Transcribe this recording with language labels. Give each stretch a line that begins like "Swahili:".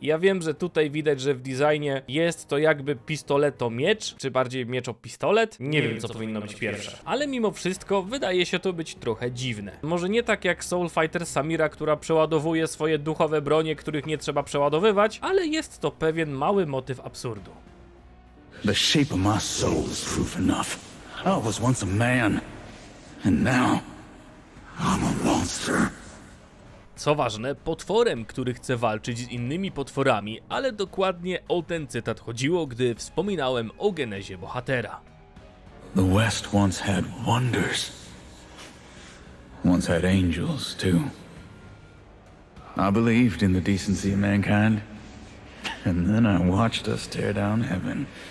Polish: Ja wiem, że tutaj widać, że w designie jest to jakby pistoleto-miecz, czy bardziej mieczo-pistolet. Nie wiem, co powinno być pierwsze. Ale mimo wszystko, wydaje się to być trochę dziwne. Może nie tak jak Soul Fighter Samira, która przeładowuje swoje duchowe bronie, których nie trzeba przeładowywać, ale jest to pewien mały motyw absurdu.
English: The shape of my soul is proof enough. I was once a man, and now I'm a monster.
Polish: Co ważne, potworem, który chce walczyć z innymi potworami, ale dokładnie o ten cytat chodziło, gdy wspominałem o genezie bohatera.
English: The West once had wonders. Once had angels too. I believed in the decency of mankind, and then I watched us tear down heaven.